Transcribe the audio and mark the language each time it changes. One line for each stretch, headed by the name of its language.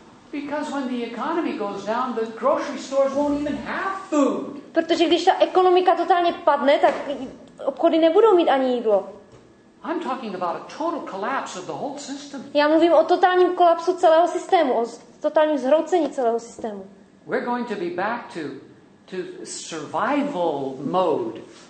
English: Because when the economy goes down, the grocery stores won't even have food.
Czech: Protože když ta ekonomika totálně padne, tak obchody nebudou mít ani jídlo.
English: I'm talking about a total collapse of the whole system.
Czech: Já mluvím o totálním kolapsu celého systému, o totálním zhroucení celého systému.
English: We're going to be back to survival mode.